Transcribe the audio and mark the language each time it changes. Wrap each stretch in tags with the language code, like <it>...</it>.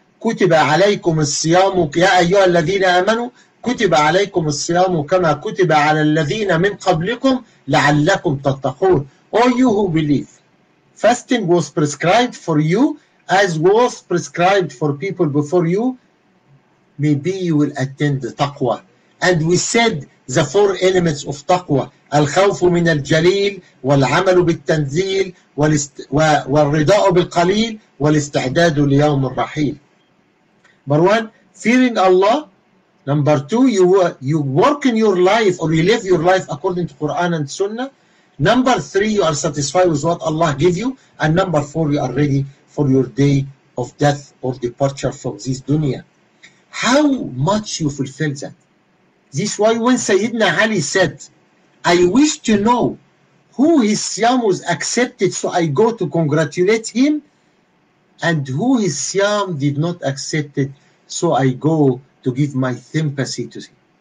<ar>كُتِبَ عَلَيْكُمُ الصِّيَامُ يَا أَيُّهَا الَّذِينَ آمَنُوا كُتِبَ عَلَيْكُمُ الصِّيَامُ كَمَا كُتِبَ عَلَى الَّذِينَ مِنْ قَبْلِكُمْ لَعَلَّكُمْ تَتَّقُونَ.</ar> <en>All you who believe, fasting was prescribed for you as was prescribed for people before you. Maybe you will attend the taqwa. And we said the four elements of taqwa.</en> <ar>الخوف من الجليل والعمل بالتنزيل والرضاء بالقليل والاستعداد ليوم الرحيل.</ar> <en>Number one, fearing Allah. Number two, you work in your life or you live your life according to Quran and Sunnah. Number three, you are satisfied with what Allah gives you. And number four, you are ready for your day of death or departure from this dunya. How much you fulfill that? This is why when Sayyidina Ali said, I wish to know who his siyam was accepted, so I go to congratulate him, and who his siyam did not accept it, so I go to give my sympathy to him.</en>